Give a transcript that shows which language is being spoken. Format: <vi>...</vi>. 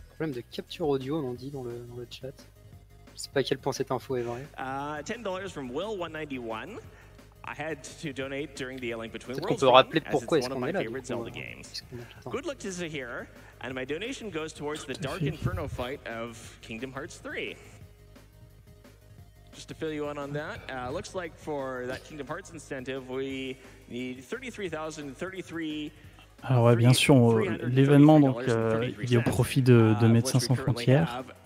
<fr>Problème de capture audio, on en dit dans le chat. Je sais pas à quel point cette info est vraie.</fr> <en>$10 from Will191. I had to donate during the Link Between Worlds.</en> <fr>Peut-être qu'on peut rappeler pourquoi est-ce qu'on est là.</fr> <en>Good luck to Zahir, and my donation goes towards the Dark Inferno fight of Kingdom Hearts 3. just to fill you in on that, looks like for that Kingdom Hearts incentive, we need 33,033.</en> <fr>Alors ouais, bien sûr, l'événement donc il est au profit de Médecins Sans Frontières.</fr>